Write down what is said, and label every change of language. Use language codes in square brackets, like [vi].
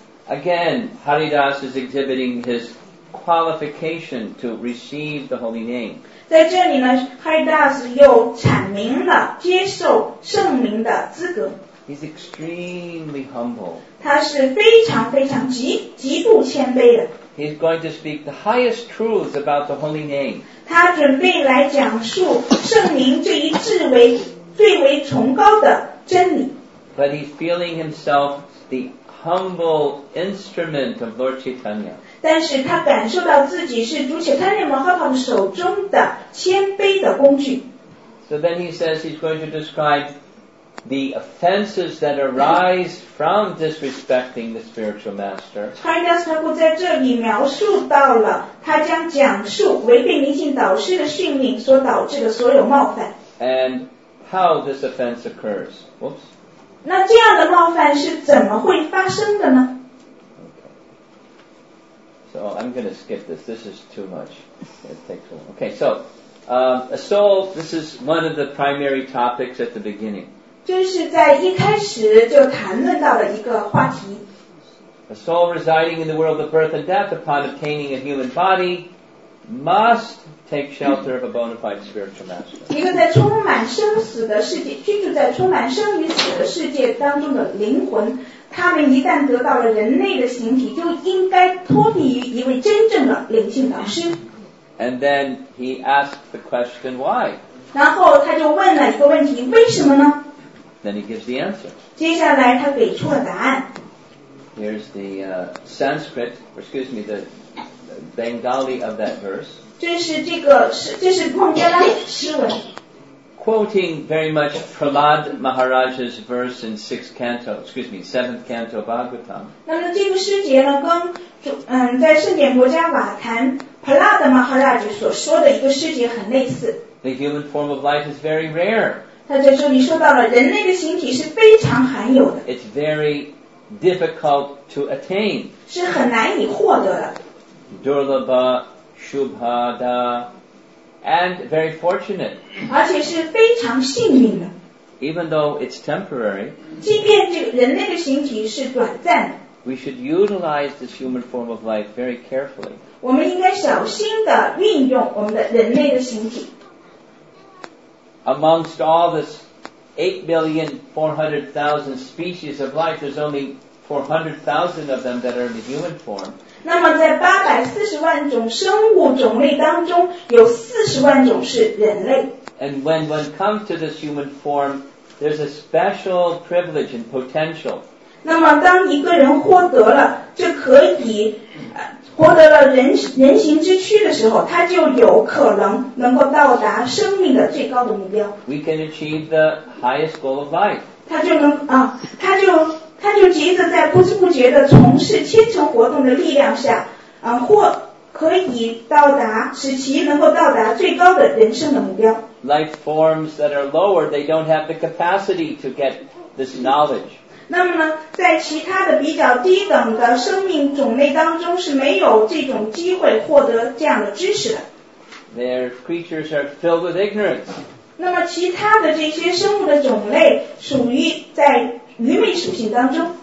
[en] Again, Haridas is exhibiting his qualification to receive the holy name. [zh] 在这里呢 ，Haridas 又阐明了接受圣名的资格。 [en] He's extremely humble. [zh] 他是非常非常极度谦卑的。 [en] He's going to speak the highest truths about the holy name. [zh] 他准备来讲述圣名这一至为最为崇高的真理。 [en] But he's feeling himself the humble instrument of Lord Chaitanya. [zh] 但是他感受到自己是主 Chaitanya Mahaprabhu 手中的谦卑的工具。 [en] So then he says he's going to describe the offenses that arise from disrespecting the spiritual master. [zh] Haridas Thakur 在这里描述到了他将讲述违背灵性导师的训令所导致的所有冒犯。 [en] And how this offense occurs. Whoops. [zh] 那这样的冒犯是怎么会发生的呢 [en] ？Okay. So I'm going to skip this. This is too much. It takes a long. Okay. So, a soul. This is one of the primary topics at the beginning. [zh] 就是在一开始就谈论到了一个话题。 [en] A soul residing in the world of birth and death upon obtaining a human body. Must take shelter of a bona fide spiritual master. [zh] 一个在充满生死的世界，居住在充满生与死的世界当中的灵魂，他们一旦得到了人类的形体，就应该脱离于一位真正的灵性导师。 [en] And then he asked the question why. [zh] 然后他就问了一个问题，为什么呢 [en] ？Then he gives the answer. [zh] 接下来他给出了答案。 [en] Here's the Sanskrit, or excuse me, the. Bengali of that verse. [zh] 这是孟加拉诗文。 [en] Quoting very much Prahlad Maharaj's verse in sixth canto, excuse me, seventh canto Bhagavatam. [zh] 那么这个诗节呢，跟在盛典国家瓦坛 Prahlad Maharaj 所说的一个诗节很类似。 [en] The human form of life is very rare. [zh] 他在这里说到了人类的形体是非常罕有的。 [en] It's very difficult to attain. [zh] 是很难以获得的。 [en] Durlabha, Shubhada, and very fortunate. [zh] 而且是非常幸运的。 [en] Even though it's temporary, [zh] 即便这个人类的形体是短暂的。 [en] We should utilize this human form of life very carefully. [zh] 我们应该小心地运用我们的人类的形体。 [en] Amongst all this 8,400,000 species of life, there's only 400,000 of them that are in the human form. [zh] 那么在840万种生物种类当中，有400万种是人类。 [en] And when one comes to this human form, there's a special privilege and potential. [zh] 那么当一个人获得了，就可以获得了人形之躯的时候，他就有可能能够到达生命的最高的目标。 [en] We can achieve the highest goal of life. [zh] 他就能啊，他就。他就急着在不知不觉的从事千层活动的力量下，可以到达，使其能够到达最高的人生的目标。 [en] Life forms that are lower, they don't have the capacity to get this knowledge. [zh] 那么呢，在其他的比较低等的生命种类当中是没有这种机会获得这样的知识的。 [en] Their creatures are filled with ignorance. [zh] 那么其他的这些生物的种类属于在愚昧属性当中。